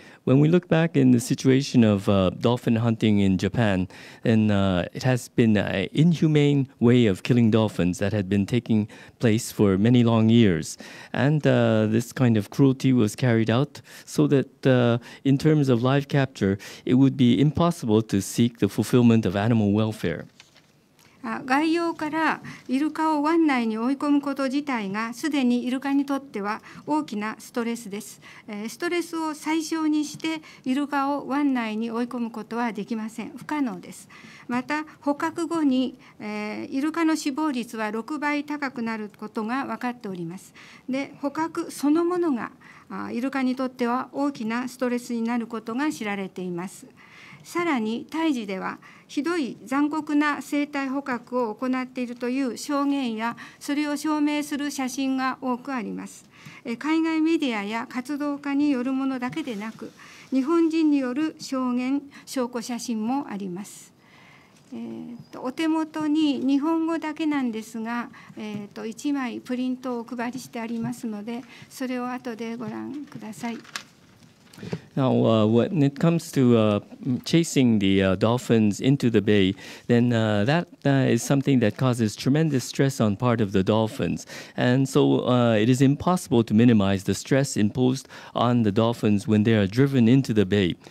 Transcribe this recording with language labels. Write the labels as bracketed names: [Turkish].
[English] When we look back in the situation of dolphin hunting in Japan, then it has been an inhumane way of killing dolphins that had been taking place for many long years. And this kind of cruelty was carried out so that in terms of live capture, it would be impossible to seek the fulfillment of animal welfare. [Japanese] 外洋からイルカを湾内に追い込むこと自体がすでにイルカにとっては大きなストレスです。ストレスを最小にしてイルカを湾内に追い込むことはできません。不可能です。また捕獲後にイルカの死亡率は6倍高くなることが分かっております。で、捕獲そのものがイルカにとっては大きなストレスになることが知られています。さらに胎児ではひどい残酷な生態捕獲を行っているという証言やそれを証明する写真が多くあります。海外メディアや活動家によるものだけでなく日本人による証言証拠写真もあります。お手元に日本語だけなんですが、1枚プリントをお配りしてありますのでそれを後でご覧ください。 [English] Now, when it comes to chasing the dolphins into the bay, then that is something that causes tremendous stress on part of the dolphins. And so it is impossible to minimize the stress imposed on the dolphins when they are driven into the bay.